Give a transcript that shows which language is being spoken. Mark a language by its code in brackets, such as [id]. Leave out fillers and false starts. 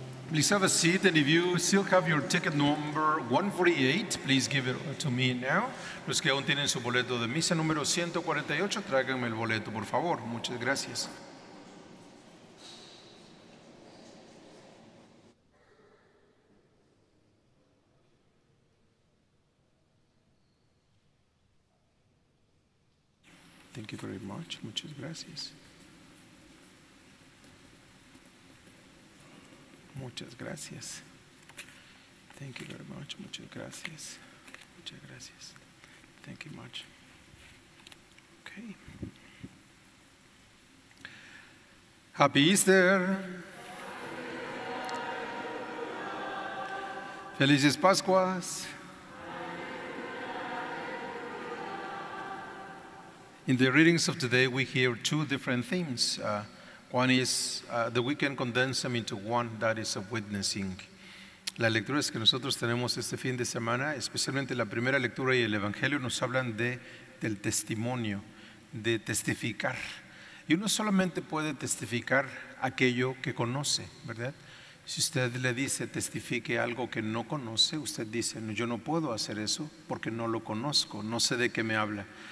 [en] Please have a seat, and if you still have your ticket number 148, please give it to me now. [es] Los que aún tienen su boleto de misa número 148, tráiganme el boleto, por favor. Muchas gracias. [en] Thank you very much. [es] Muchas gracias. Muchas gracias. [en] Thank you very much. [es] Muchas gracias. Muchas gracias. [en] Thank you much. Okay. Happy Easter. [es] Felices Pascuas. [en] In the readings of today, we hear two different themes. One is that we can condense them into one, that is of witnessing. [es] Las lecturas que nosotros tenemos este fin de semana, especialmente la primera lectura y el Evangelio, nos hablan del testimonio, de testificar. Y uno solamente puede testificar aquello que conoce, ¿verdad? Si usted le dice testifique algo que no conoce, usted dice, no, yo no puedo hacer eso porque no lo conozco, no sé de qué me habla.